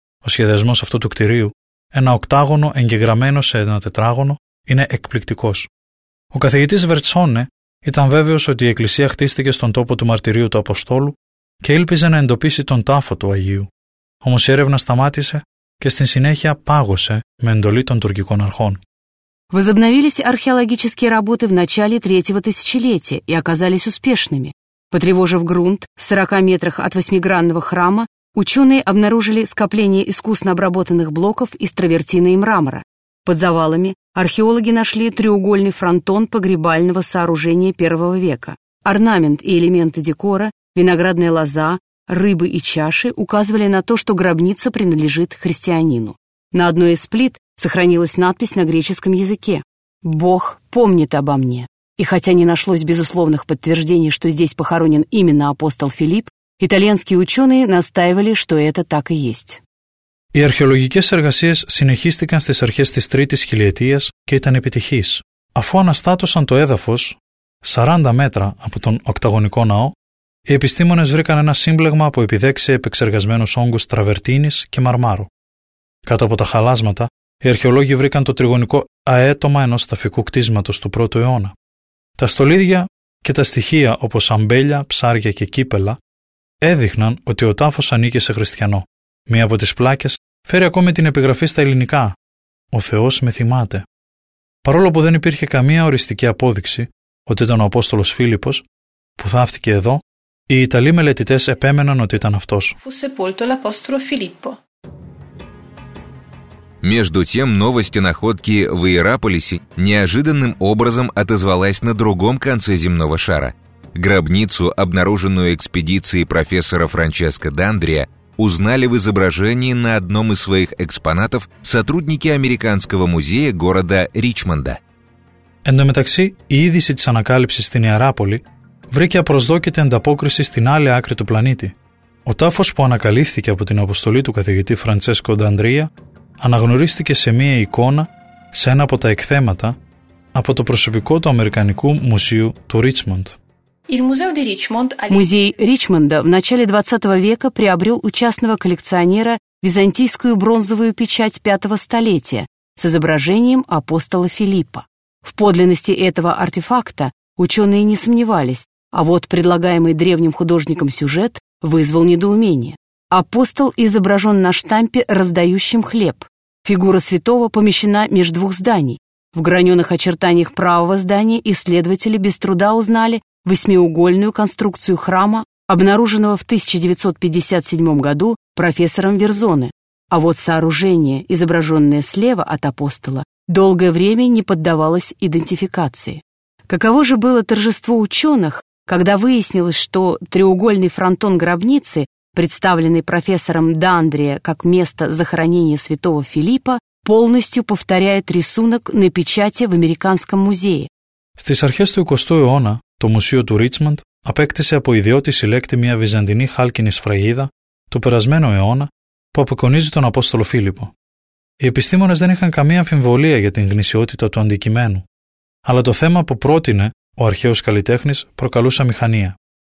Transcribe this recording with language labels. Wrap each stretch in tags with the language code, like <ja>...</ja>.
<el>Ο σχεδιασμός αυτού του κτηρίου, ένα οκτάγωνο εγγεγραμμένο σε ένα τετράγωνο, είναι εκπληκτικός. Ο καθηγητής Βερτσόνε ήταν βέβαιος ότι η εκκλησία χτίστηκε στον τόπο του μαρτυρίου του Αποστόλου και ήλπιζε να εντοπίσει τον τάφο του Αγίου. Όμως η έρευνα σταμάτησε και στη συνέχεια πάγωσε με εντολή των τουρκικών αρχών.</el> <ru>Возобновились археологические работы в начале третьего тысячелетия и оказались успешными. Потревожив грунт в 40 метрах от восьмигранного храма, ученые обнаружили скопление искусно обработанных блоков из травертина и мрамора. Под завалами археологи нашли треугольный фронтон погребального сооружения первого века. Орнамент и элементы декора, виноградная лоза, рыбы и чаши указывали на то, что гробница принадлежит христианину. На одной из плит сохранилась надпись на греческом языке «Бог помнит обо мне». И хотя не нашлось безусловных подтверждений, что здесь похоронен именно апостол Филипп, итальянские ученые настаивали, что это так и есть.</ru> <el>Οι αρχαιολογικές εργασίες συνεχίστηκαν στις αρχές της τρίτης χιλιετίας και ήταν επιτυχείς, αφού αναστάτωσαν το έδαφος 40 μέτρα από τον οκταγωνικό ναό. Οι επιστήμονες βρήκαν ένα σύμπλεγμα από επιδέξια επεξεργασμένους όγκους τραβερτίνης και μαρμάρου. Κάτω από τα χαλάσματα, οι αρχαιολόγοι βρήκαν το τριγωνικό αέτομα ενός ταφικού κτίσματος του 1ου αιώνα. Τα στολίδια και τα στοιχεία όπως αμπέλια, ψάρια και κύπελα έδειχναν ότι ο τάφος ανήκε σε χριστιανό. Μία από τις πλάκες φέρει ακόμη την επιγραφή στα ελληνικά «Ο Θεός με θυμάται». Παρόλο που δεν υπήρχε καμία οριστική απόδειξη ότι ήταν ο Απόστολος Φίλιππος που θάφτηκε εδώ, οι Ιταλοί μελετητές επέμεναν ότι ήταν αυτός.</el> <it>Fu sepolto l'apostolo Filippo.</it> <ru>Между тем, новость о находке в Иераполисе неожиданным образом отозвалась на другом конце земного шара. Гробницу, обнаруженную экспедицией профессора Франческо Дандрия, узнали в изображении на одном из своих экспонатов сотрудники американского музея города Ричмонда.</ru> <el>Εν τω μεταξύ, η είδηση της ανακάλυψης στην Ιεράπολη βρήκε απροσδόκητη ανταπόκριση στην άλλη άκρη του πλανήτη. Ο τάφος που ανακαλύφθηκε από την αποστολή του καθηγητή Φραντσέσκο Δαντρία αναγνωρίστηκε σε μία εικόνα σε ένα από τα εκθέματα από το προσωπικό του Αμερικανικού Μουσείου του Ρίτσμοντ.</el> <ru>Музей Ричмонда в начале 20 века приобрел у частного коллекционера византийскую бронзовую печать 5 столетия с изображением апостола Филиппа. В подлинности этого артефакта ученые не сомневались, а вот предлагаемый древним художником сюжет вызвал недоумение. Апостол изображен на штампе, раздающем хлеб. Фигура святого помещена между двух зданий. В граненых очертаниях правого здания исследователи без труда узнали восьмиугольную конструкцию храма, обнаруженного в 1957 году профессором Верзоне. А вот сооружение, изображенное слева от апостола, долгое время не поддавалось идентификации. Каково же было торжество ученых, когда выяснилось, что треугольный фронтон гробницы, представленный профессором Дандрия как место захоронения святого Филиппа, полностью повторяет рисунок на печати в американском музее.</ru> <el>Στις αρχές του 20ου αιώνα, το Μουσείο του Ρίτσμαντ απέκτησε από ιδιώτη συλλέκτη μια βυζαντινή χάλκινη σφραγίδα του περασμένου αιώνα που απεικονίζει τον Απόστολο Φίλιππο. Οι επιστήμονες δεν είχαν καμία αμφιβολία για την γνησιότητα του αντικειμένου, αλλά το θέμα που πρότεινε ο αρχαίος καλλιτέχνης προκαλούσε αμηχανία.</el>